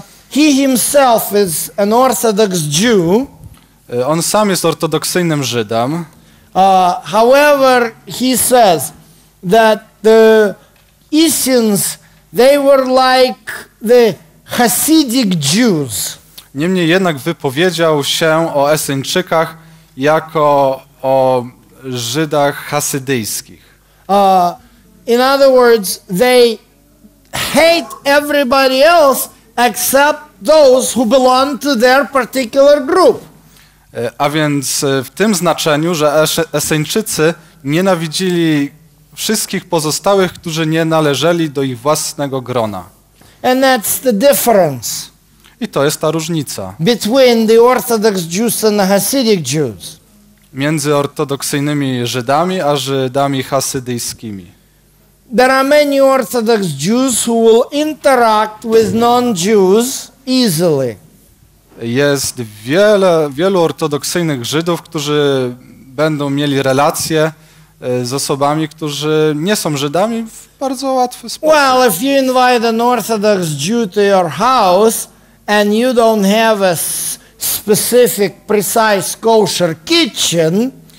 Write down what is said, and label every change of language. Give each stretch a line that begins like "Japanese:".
English: He himself is an Orthodox Jew.
Polish: On sam jest ortodoksyjnym Żydem.
English: However, he says that the Essenes, they were like the Hasidic Jews.
Polish: Niemniej jednak wypowiedział się o Esyńczykach jako o Żydach hasydyjskich.
English: In other words, they hate everybody else except those who belong to their particular group.
Polish: A więc w tym znaczeniu, że Esyńczycy nienawidzili wszystkich pozostałych, którzy nie należeli do ich własnego grona.
English: And that's the difference.
Polish: I to jest ta różnica.
English: Between the Orthodox Jews and the Hasidic Jews.
Polish: Między ortodoksyjnymi Żydami a Żydami hasydyjskimi.
English: There are many Orthodox Jews who will interact with non-Jews easily.
Polish: Jest wielu ortodoksyjnych Żydów, którzy będą mieli relacje z osobami, którzy nie są Żydami w bardzo łatwy sposób.
English: Well, if you invite an Orthodox Jew to your house and you don't have a specific, precise kosher kitchen.